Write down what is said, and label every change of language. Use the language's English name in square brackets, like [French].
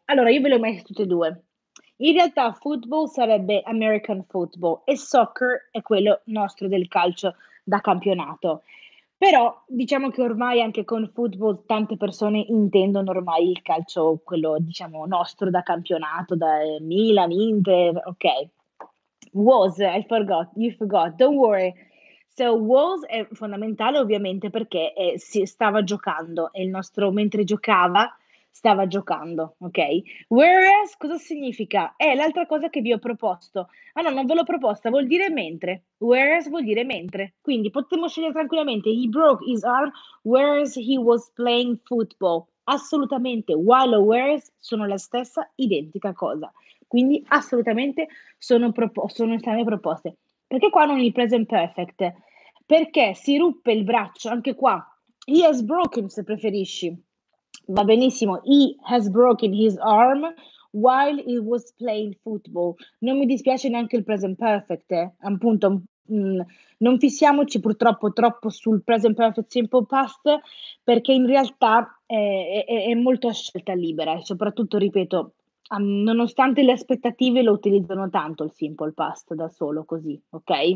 [Italian] Allora, io ve le ho messe tutte e due. In realtà football sarebbe American football e soccer è quello nostro del calcio da campionato. Però diciamo che ormai anche con football tante persone intendono ormai il calcio, quello diciamo nostro da campionato, da Milan, Inter, ok. [English] Was, I forgot, you forgot, don't worry. [Italian] So was è fondamentale ovviamente perché si stava giocando, e il nostro mentre giocava stava giocando, ok? Whereas cosa significa? È l'altra cosa che vi ho proposto. Ah no, non ve l'ho proposta, vuol dire mentre. Whereas vuol dire mentre. Quindi potremmo scegliere tranquillamente he broke his arm whereas he was playing football. Assolutamente, while o whereas sono la stessa identica cosa. Quindi assolutamente sono state proposte. Perché qua non il present perfect? Perché si ruppe il braccio, anche qua. [English] He has broken, se preferisci. Va benissimo, he has broken his arm while he was playing football. [Italian] Non mi dispiace neanche il present perfect, appunto, non fissiamoci purtroppo troppo sul present perfect simple past, perché in realtà è molto a scelta libera e soprattutto, ripeto, nonostante le aspettative lo utilizzano tanto il simple past da solo così, ok?